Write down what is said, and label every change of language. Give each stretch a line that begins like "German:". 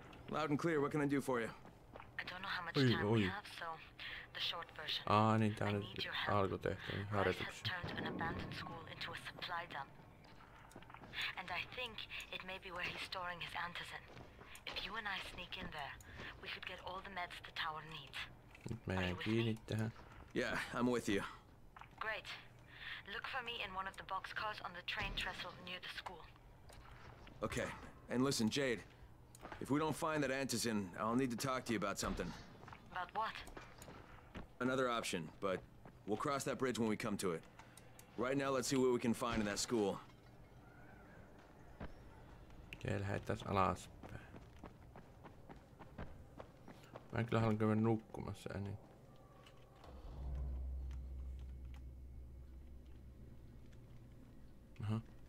English: Loud and clear, what can I do for you? I don't know how much time we have, so the short version.
Finnish: Niin tää nyt alkutehtäviin harjoituksiin.
English: I have turned an abandoned school into a supply dump. And I think it may be where he's storing his antizen. If you and I sneak in there, we could get all the meds the tower needs. Yeah, I'm with you. Great. Look for me in one of the boxcars on the train trestle near the school. Okay. And listen, Jade. If we don't find that antizen, I'll need to talk to you about something. About what? Another option, but we'll cross that bridge when we come to it. Right now, let's see what we can find in that school.
Finnish: Okei, lähettäis alaspäin. Mä en kyllä haluan käydä nukkumassa eniten. Aha.